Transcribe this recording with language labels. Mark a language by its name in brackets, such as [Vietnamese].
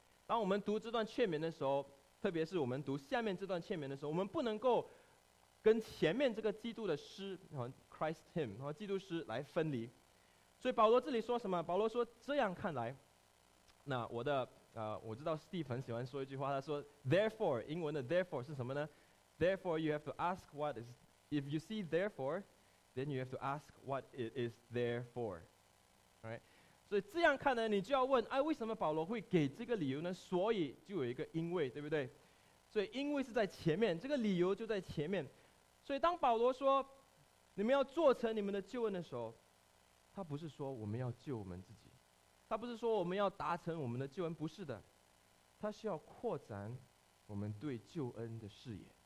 [Chinese] 当我们读这段劝勉的时候，特别是我们读下面这段劝勉的时候，我们不能够跟前面这个基督的诗 Christ Hymn 基督诗来分离。所以保罗这里说什么？保罗说，这样看来，那我知道 Steve 很喜欢说一句话，他说 therefore， 英文的 therefore 是什么呢？ [English] therefore you have to ask what is if you see therefore then you have to ask what it is there for， right？ [Chinese] 所以这样看呢，你就要问，哎，为什么保罗会给这个理由呢？所以就有一个因为，对不对？所以因为是在前面，这个理由就在前面。所以当保罗说你们要做成你们的救恩的时候，他不是说我们要救我们自己，他不是说我们要达成我们的救恩，不是的，他是要扩展我们对救恩的视野。